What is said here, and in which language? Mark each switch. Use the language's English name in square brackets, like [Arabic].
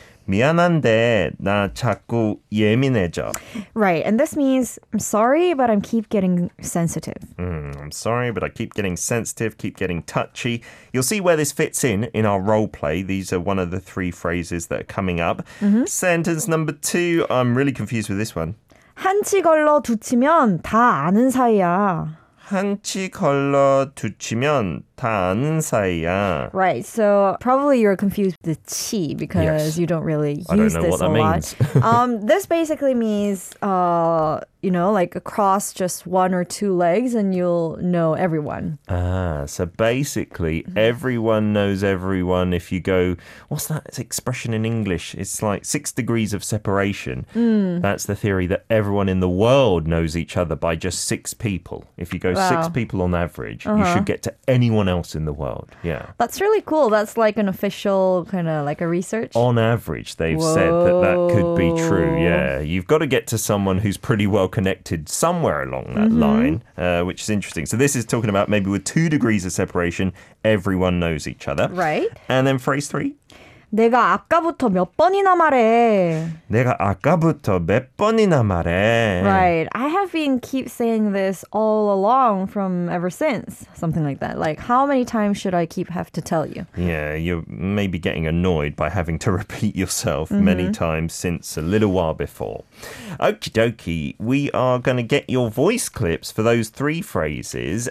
[Korean] 미안한데 나 자꾸 예민해져. [English] Right, and this means I'm sorry, but I keep getting sensitive. I'm sorry, but I keep getting sensitive, keep getting touchy. You'll see where this fits in our role play. These are one of the three phrases that are coming up. Mm-hmm. Sentence number two, I'm really confused with this one. [Korean] 한치 걸러 두치면 다 아는 사이야. 한치 걸러 두치면 다 아는 사이야. [English] Right, so probably you're confused with the 치 because yes. you don't really use don't this a lot. This basically means, you know, like across just one or two legs and you'll know everyone. Ah, so basically everyone knows everyone if you go, what's that expression in English? It's like 6 degrees of separation. Mm. That's the theory that everyone in the world knows each other by just 6 people. If you go wow. 6 people on average, uh-huh. you should get to anyone else in the world. Yeah. That's really cool. That's like an official kind of like a research. On average, they've Whoa. Said that that could be true. Yeah. You've got to get to someone who's pretty well connected somewhere along that mm-hmm. line, which is interesting. So this is talking about maybe with 2 degrees of separation, everyone knows each other. Right. And then phrase three. [Korean] 내가 아까부터 몇 번이나 말해. 내가 아까부터 몇 번이나 말해. [English] Right. I have been keep saying this all along from ever since. Something like that. Like, how many times should I keep have to tell you? Yeah, you're maybe getting annoyed by having to repeat yourself mm-hmm. many times since a little while before. Okie dokie. We are going to get your voice clips for those three phrases.